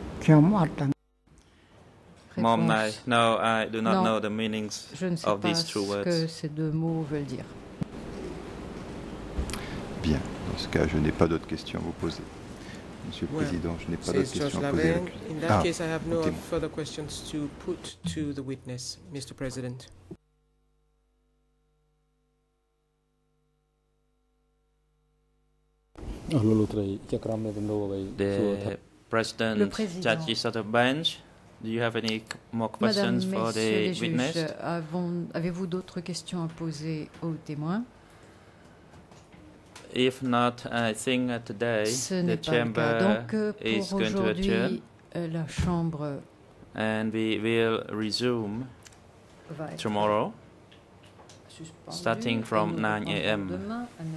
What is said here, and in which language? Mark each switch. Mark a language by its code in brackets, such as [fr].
[en] Mam Nai, no, I do not know the meanings of these two words. [fr] Je ne sais pas ce que ces deux mots veulent dire. Bien, dans ce cas, je n'ai pas d'autres questions à vous poser. Monsieur le Président, je n'ai pas d'autres questions à poser. [en] In that case, I have no further questions to put to the witness, Mr. President. The President, judges of the bench, do you have any more questions for the witness? [fr] Avez-vous d'autres questions à poser au témoin? [en] If not, I think today the chamber is going to adjourn. [fr] La chambre [en] and we will resume tomorrow, starting from 9 a.m.